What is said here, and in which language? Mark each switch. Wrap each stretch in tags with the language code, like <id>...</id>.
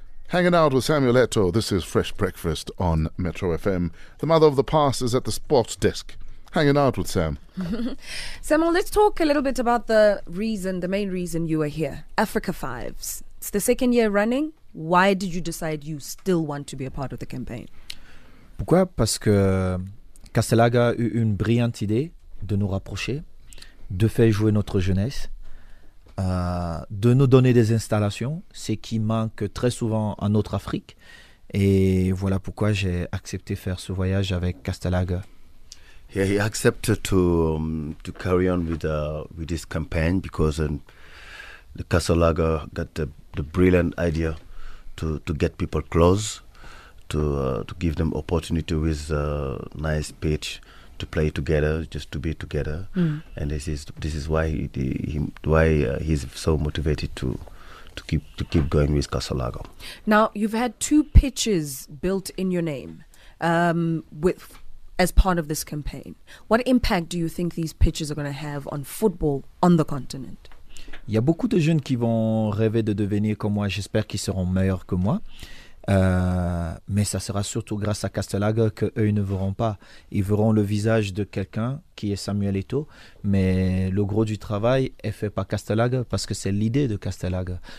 <en>Hanging out with Samuel Eto'o, this is Fresh Breakfast on Metro FM. The mother of the past is at the sports desk, hanging out with Sam. Samuel, let's talk a little bit about the reason, the main reason you are here, Africa Fives. It's the second year running. Why did you decide you still want to be a part of the campaign?</en> <fr>Pourquoi? Parce que Castellaga a eu une brillante idée de nous rapprocher, de faire jouer notre jeunesse, de nous donner des installations, ce qui manque très souvent en notre Afrique. Et voilà pourquoi j'ai accepté faire ce voyage avec Castellaga.</fr> <en>Yeah, he accepted to carry on with this campaign because the Castellaga got the brilliant idea to get people close, to give them opportunity with a nice pitch to play together, just to be together. Mm. And this is why he's so motivated to keep going with Castellaga. Now you've had two pitches built in your name, with. As part of this campaign, what impact do you think these pitches are going to have on football on the continent?</en> <fr>Il y a beaucoup de jeunes qui vont rêver de devenir comme moi. J'espère qu'ils seront meilleurs que moi. Mais ça sera surtout grâce à Castellaga qu'eux ne verront pas. Ils verront le visage de quelqu'un qui est Samuel Eto'o. Mais le gros du travail est fait par Castellaga parce que c'est l'idée de Castellaga.</fr>